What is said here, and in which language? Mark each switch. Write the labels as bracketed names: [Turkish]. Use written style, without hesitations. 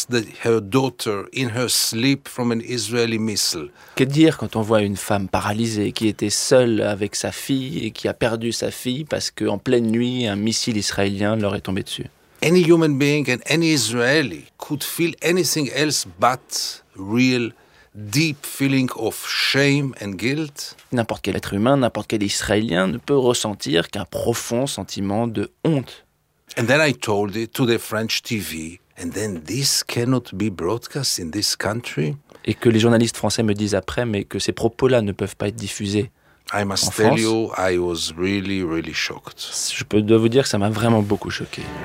[English] that her daughter in her sleep from an Israeli missile. [French] Que dire quand on voit une femme paralysée qui était seule avec sa fille et qui a perdu sa fille parce que en pleine nuit un missile israélien leur est tombé dessus. [English] Any human being and any Israeli could feel anything else but real deep feeling of shame and guilt. [French] N'importe quel être humain, n'importe quel Israélien ne peut ressentir qu'un profond sentiment de honte. [English] And then I told it to the French TV, and then this cannot be broadcast in this country. [French] Et que les journalistes français me disent après, mais que ces propos-là ne peuvent pas être diffusés. [English] I must tell you, I was really, really shocked. [French] Je peux dois vous dire que ça m'a vraiment beaucoup choqué.